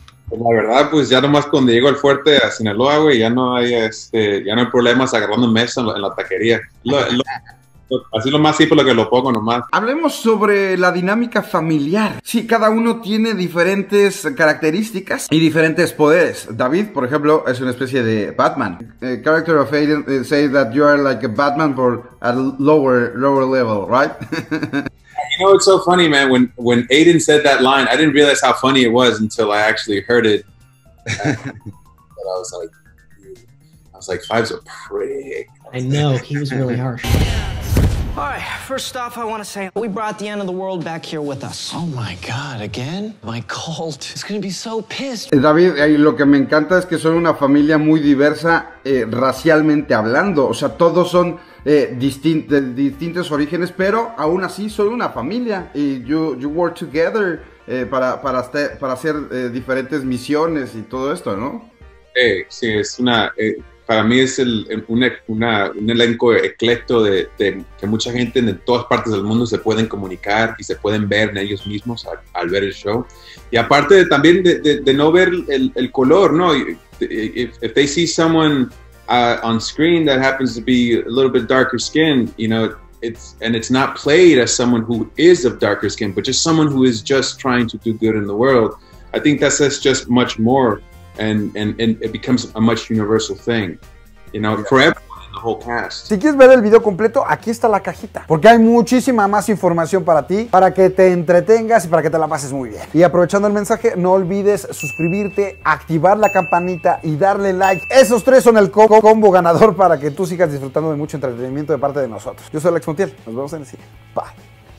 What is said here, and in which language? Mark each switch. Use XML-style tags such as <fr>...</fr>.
<es>La verdad, pues ya nomás con Diego el Fuerte a Sinaloa, güey, ya no hay problemas agarrando mesa en la taquería. Así lo más simple que lo pongo nomás. Hablemos sobre la dinámica familiar. Sí, cada uno tiene diferentes características y diferentes poderes. David, por ejemplo, es una especie de Batman.</es> <en>Character of Aiden say that you are like a Batman for a lower level, right? You know, it's so funny, man. When Aiden said that line, I didn't realize how funny it was until I actually heard it. But I was like, dude. I was like, Five's a prick. I know, he was really harsh. All right, first off, I want to say we brought the end of the world back here with us. Oh my God, again? My cult is going to be so pissed.</en> <es>David, lo que me encanta es que son una familia muy diversa racialmente hablando. O sea, todos son distintos orígenes, pero aún así son una familia. Y</es> <en>you work together</en> <es>para hacer diferentes misiones y todo esto, ¿no? Sí, es una... Para mí es un elenco ecléctico de que mucha gente en todas partes del mundo se pueden comunicar y se pueden ver en ellos mismos al ver el show. Y aparte también de no ver el color, ¿no?</es> <en>If they see someone on screen that happens to be a little bit darker skin, you know, it's not played as someone who is of darker skin, but just someone who is just trying to do good in the world. I think that says just much more. And it becomes a much universal thing, you know, for everyone in the whole cast.</en> <es>Si quieres ver el video completo, aquí está la cajita, porque hay muchísima más información para ti, para que te entretengas y para que te la pases muy bien. Y aprovechando el mensaje, no olvides suscribirte, activar la campanita y darle like. Esos tres son el combo ganador para que tú sigas disfrutando de mucho entretenimiento de parte de nosotros. Yo soy Alex Montiel, nos vemos en el siguiente. Bye.</es>